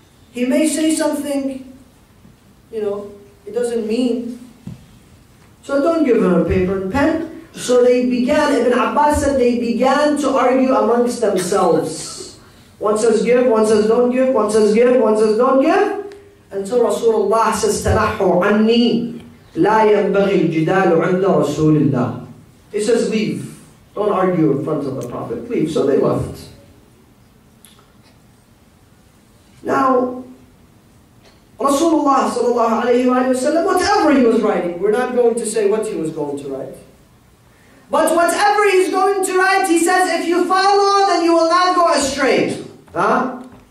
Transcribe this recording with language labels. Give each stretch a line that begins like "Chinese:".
English: He may say something, you know, he doesn't mean. So don't give him a paper and pen. So they began, Ibn Abbas said, they began to argue amongst themselves. One says give, one says don't give, one says give, one says don't give. Until Rasulullah says,
Arabic: tanahhu anni. لَا يَنْبَغِي الْجِدَالُ عِنْدَ رَسُولِ اللَّهِ
English: He says, leave. Don't argue in front of the Prophet. Leave. So they left. Now, Rasulullah sallallahu alayhi wa sallam, whatever he was writing, we're not going to say what he was going to write. But whatever he's going to write, he says, if you follow, then you will not go astray. Huh?